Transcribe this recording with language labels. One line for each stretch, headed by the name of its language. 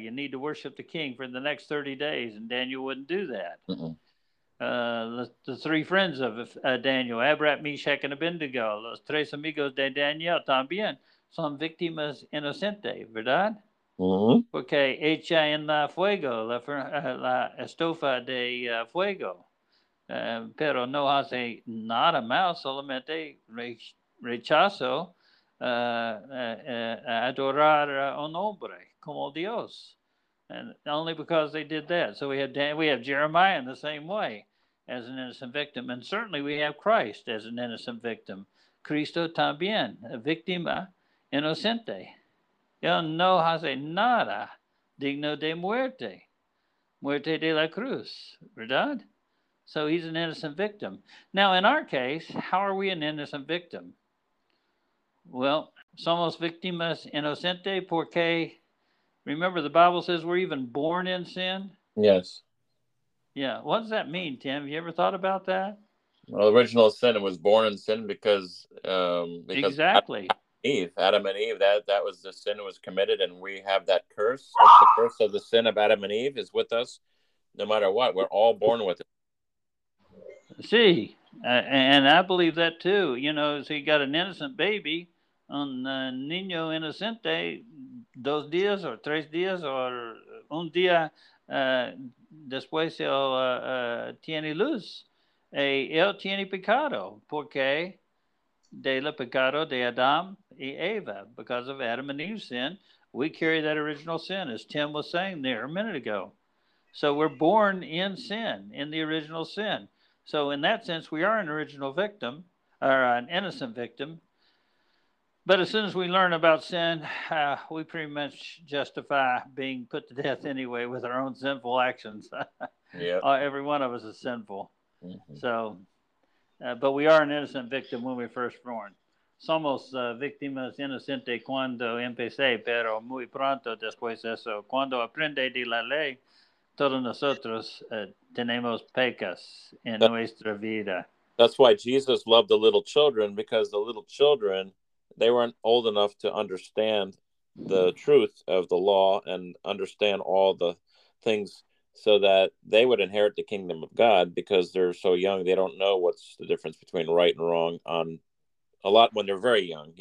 English: You need to worship the king for the next 30 days, and Daniel wouldn't do that. The three friends of Daniel,
Spanish: Abrat, Meshach, and Abednego, los tres amigos de Daniel también, son víctimas inocentes, ¿verdad? Uh-huh. Porque hecha en la fuego, la estufa de fuego. Pero no hace nada mal, solamente rechazo adorar a un hombre como Dios.
English: And only because they did that. So we have Jeremiah in the same way as an innocent victim. And certainly we have Christ as an innocent victim.
Spanish: Cristo también, a víctima inocente. Él no hace nada digno de muerte. Muerte de la cruz, ¿verdad?
English: So he's an innocent victim. Now, in our case, how are we an innocent victim? Well,
Spanish: somos víctimas inocentes porque,
English: remember, the Bible says we're even born in sin? Yes. Yeah. What does that mean, Tim? Have you ever thought about that? Well, the original sin, it was born in sin because... exactly. Adam and Eve, that was the sin that was committed, and we have that curse. The curse of the sin of Adam and Eve is with us no matter what. We're all born with it. See, and I believe that too. You know, so you got an innocent baby,
Spanish: un niño inocente, dos días o tres días o un día después él tiene luz. Él tiene pecado, porque de la pecado de Adam y Eva,
English: because of Adam and Eve's sin, we carry that original sin, as Tim was saying there a minute ago. So we're born in sin, in the original sin. So in that sense, we are an original victim, or an innocent victim. But as soon as we learn about sin, we pretty much justify being put to death anyway with our own sinful actions. Yep. Every one of us is sinful. Mm-hmm. So, but we are an innocent victim when we're first born.
Spanish: Somos víctimas inocentes cuando empecé, pero muy pronto después de eso. Cuando aprende de la ley, todos nosotros tenemos pecas en nuestra vida.
English: That's why Jesus loved the little children, because the little children, they weren't old enough to understand the truth of the law and understand all the things so that they would inherit the kingdom of God, because they're so young, they don't know what's the difference between right and wrong on a lot when they're very young.